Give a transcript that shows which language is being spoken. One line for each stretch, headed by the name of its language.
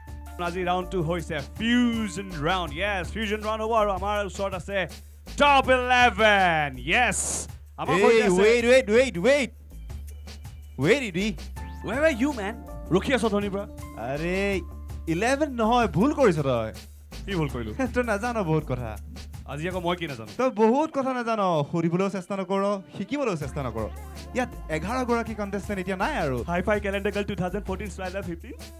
Assamese: আপনাৰ G round 2 হৈছে fusion round yes fusion round over আমাৰ ওচৰত আছে টপ 11 yes আমাৰ হৈ আছে
English: wait where is he where are you man
Assamese: ৰখি আছ ধনি ব্ৰা আৰে 11 নহয় ভুল কৰিছ তই কি ভুল কৰিলু তই নাজান বহুত কথা আজি আকৌ মই কি নাজানো তই বহুত কথা নাজানো সুধিবলৈও চেষ্টা নকৰ শিকিবলৈও চেষ্টা নকৰ ইয়াত 11 গৰাকী কণ্টেষ্টেণ্ট এতিয়া নাই আৰু হাইফাই কেলেণ্ডাৰ গাল 2014 স্লাইডাৰ 15